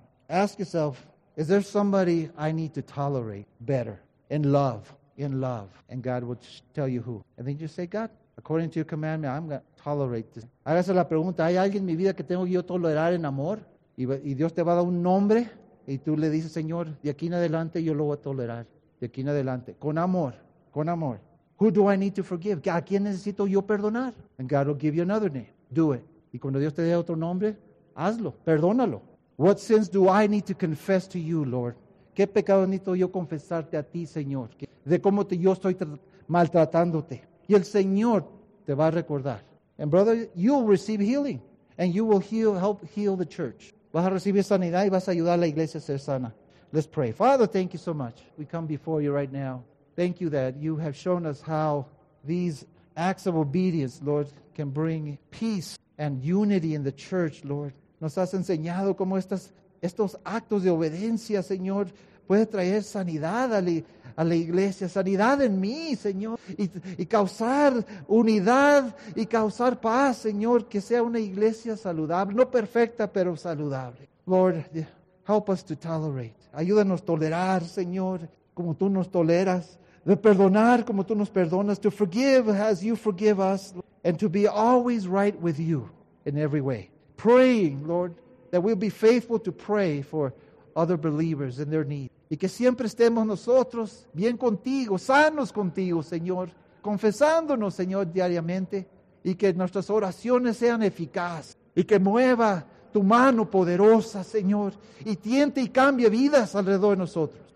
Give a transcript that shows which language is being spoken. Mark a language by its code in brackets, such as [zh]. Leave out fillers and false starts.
[en] Ask yourself, is there somebody I need to tolerate better in love? And God will tell you who. And then you just say, God, according to your commandment, I'm going to tolerate this. [es] Hágase la pregunta, ¿hay alguien en mi vida que tengo yo tolerar en amor? Y Dios te va a dar un nombre, y tú le dices, Señor, de aquí en adelante yo lo voy a tolerar. De aquí en adelante, con amor. [en] Who do I need to forgive? [es] ¿A quién necesito yo perdonar? [en] And God will give you another name. Do it. [es] Y cuando Dios te dé otro nombre, hazlo, perdónalo. [en] What sins do I need to confess to you, Lord? [es] ¿Qué pecado necesito yo confesarte a ti, Señor? De cómo yo estoy maltratándote. Y el Señor te va a recordar. [en] And brother, you'll receive healing. And you will help heal the church. [es] Vas a recibir sanidad y vas a ayudar a la iglesia a ser sana. [en] Let's pray. Father, thank you so much. We come before you right now. Thank you that you have shown us how these acts of obedience, Lord, can bring peace and unity in the church, Lord. [es] Nos has enseñado cómo estos actos de obediencia, Señor, puede traer sanidad a la iglesia, sanidad en mí, Señor, y causar unidad y causar paz, Señor, que sea una iglesia saludable, no perfecta, pero saludable. [en] Lord, help us to tolerate. [es] Ayúdanos a tolerar, Señor, como tú nos toleras, de perdonar como tú nos perdonas, [en] to forgive as you forgive us, and to be always right with you in every way. Praying, Lord, that we'll be faithful to pray for other believers in their need. [es] Y que siempre estemos nosotros bien contigo, sanos contigo, Señor, confesándonos, Señor, diariamente, y que nuestras oraciones sean eficaces, y que mueva tu mano poderosa, Señor, y tiente y cambie vidas alrededor de nosotros.